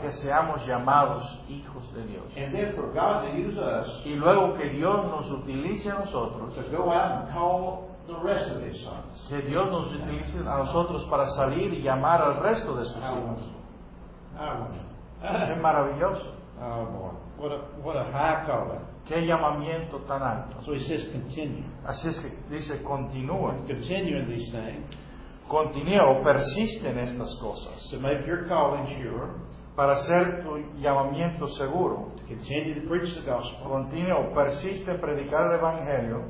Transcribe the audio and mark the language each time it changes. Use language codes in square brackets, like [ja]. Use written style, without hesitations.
[es] Que seamos llamados hijos de Dios. [en] And then for God to use us. [es] Y luego que Dios nos utilice a nosotros. [en] To go out and call the rest of His sons. [es] Que Dios nos utilice a nosotros para salir y llamar al resto de sus hijos. Es maravilloso. [en] Oh boy. What a high calling. [es] Qué llamamiento tan alto. [en] So he says continue. [es] Así es que dice continúa. [en] Continue in these things. [es] Continúa o persiste en estas cosas. [en] To make your calling sure. [es] Para hacer tu llamamiento seguro. [en] To continue to preach the gospel. [es] Continúa o persiste en predicar el evangelio.